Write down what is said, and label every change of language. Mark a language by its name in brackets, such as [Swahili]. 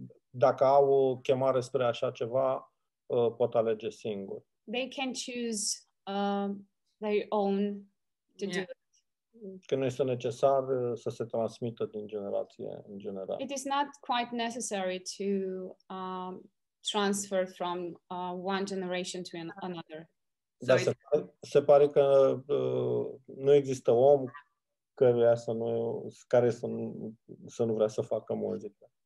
[Romanian] Dacă au o chemare spre așa ceva, pot alege singur. [English] They can choose their own to do it. [Romanian] Că nu este necesar să se transmită din generație în generație. [English] It is not quite necessary to transfer from one generation to another. [Romanian] Da, so se pare că nu există om care să nu vrea să facă muzică.